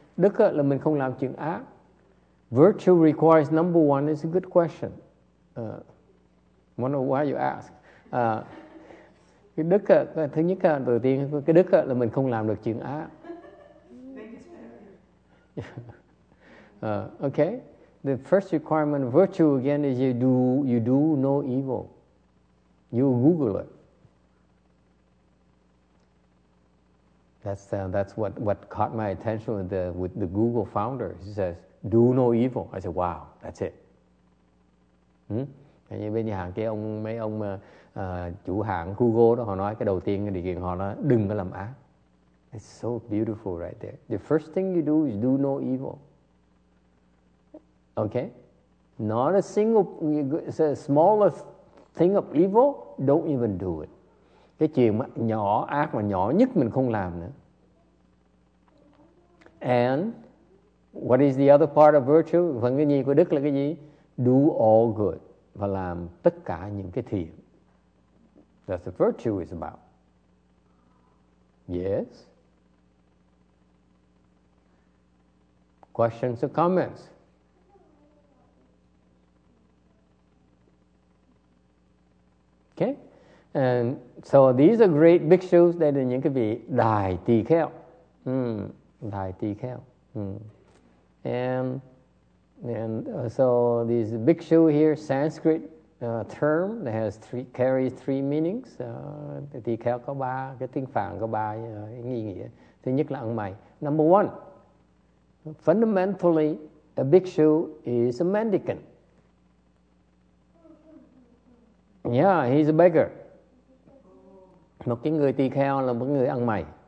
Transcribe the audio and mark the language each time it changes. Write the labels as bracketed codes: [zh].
[vi] Đức là mình không làm chuyện ác. [en] Virtue requires number one is a good question. Wonder why you ask. [vi] Cái đức thứ nhất đầu tiên cái đức là mình không làm được chuyện ác. [en] Okay. The first requirement of virtue again is you do no evil. You Google it. That's what caught my attention with the Google founder. He says, "Do no evil." I said, "Wow, that's it." [vi] Như bên nhà hàng kia mấy ông chủ hàng Google đó, họ nói cái đầu tiên cái điều kiện họ nói đừng có làm ác. [en] It's so beautiful right there. The first thing you do is do no evil. Okay? Not a single, the smallest thing of evil, don't even do it. [vi] Cái chuyện mà nhỏ, ác mà nhỏ nhất mình không làm nữa. [en] And what is the other part of virtue? [vi] Phần cái gì của đức là cái gì? [en] Do all good. [vi] Và làm tất cả những cái thiện. [en] That's what virtue is about. Yes? Questions or comments? Okay? And so these are great bhikshus. They are [vi] những cái vị đại tỳ kheo. Đại tỳ kheo. [en] And so this bhikshu here, Sanskrit term, that has three, carries three meanings. [vi] Tỳ kheo có ba, cái tiếng Phạn có ba ý nghĩa. Thứ nhất là ăn mày. [en] Number one, fundamentally, a bhikshu is a mendicant. Yeah, he's a beggar. [vi] Một cái người tỳ kheo là một người ăn mày.